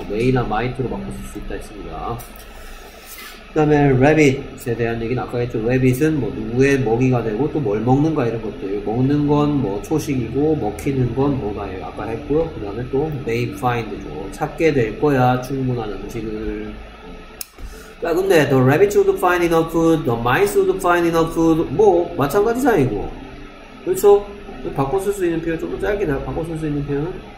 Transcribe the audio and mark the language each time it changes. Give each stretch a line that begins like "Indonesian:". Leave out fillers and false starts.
Korean: 메이나 마이트로 바꿨을 수 있다 했습니다. 그 다음에 래빗에 대한 얘기는 아까 했죠. 래빗은 뭐 누구의 먹이가 되고 또 뭘 먹는가 이런 것들. 먹는 건 뭐 초식이고 먹히는 건 뭐가 아까 했고요. 그 다음에 또 메이 파인드죠. 찾게 될 거야. 충분한 음식을. 자 근데
English: the rabbit would find enough food, the mice would find enough food
Korean: 뭐 마찬가지잖아 이거. 그렇죠? 바꿔 쓸 수 있는 표현 좀 짧게 내가 바꿔 쓸 수 있는 표현.